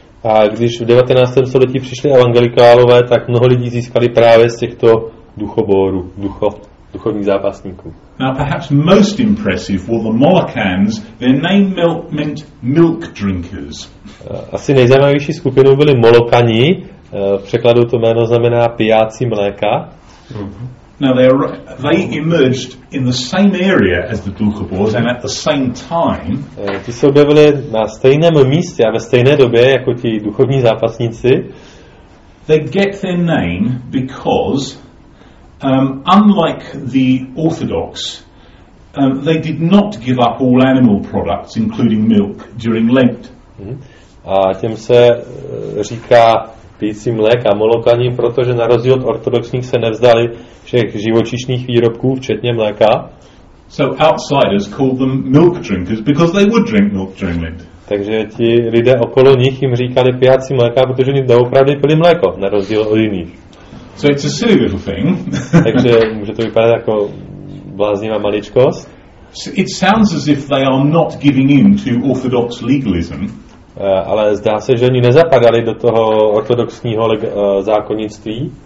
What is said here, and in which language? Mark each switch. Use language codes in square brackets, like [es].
[cs] A když v 19. století přišli evangelikálové, tak mnoho lidí získali právě z těchto duchoborů, duchovních zápasníků. [en] Now perhaps most impressive were the Molokans, their name meant milk drinkers. [cs] Asi nejzajímavější skupinou byli Molokani, v překladu to jméno znamená pijáci mléka. [en] Now they emerged in the same area as the Duchoboys and at the same time. [cs] Ti se objevili na stejném místě a ve stejné době jako ti duchovní zápasníci. [en] They get their name because unlike the Orthodox, they did not give up all animal products including milk during Lent. [cs] A těm se říká pijící mlék a Molokani, protože na rozdíl od ortodoxních se nevzdali všech živočišných výrobků, včetně mléka. [en] So outsiders called them milk drinkers because they would drink milk during Lent. [cs] Takže ti lidé okolo nich jim říkali pijáci mléka, protože oni doopravdy pili mléko, na rozdíl od jiných. [en] So it's a silly little thing. [cs] Takže může to vypadat jako bláznivá maličkost. [en] So it sounds as if they are not giving in to orthodox legalism. [cs] Ale zdá se, že oni nezapadali do toho ortodoxního zákonnictví.